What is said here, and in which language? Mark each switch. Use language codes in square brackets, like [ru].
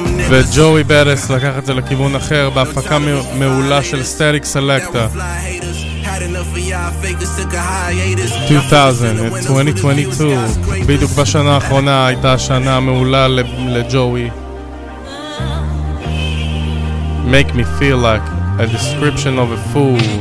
[he] וג'וי ברס לקח את זה לכיוון אחר בהפקה מעולה של סטריק סלקטה. [en] had enough of y'all fakers, took a hiatus. [he] 2022, בדיוק בשנה האחרונה הייתה שנה מעולה לג'וי. [en] Make me feel like a description of a fool.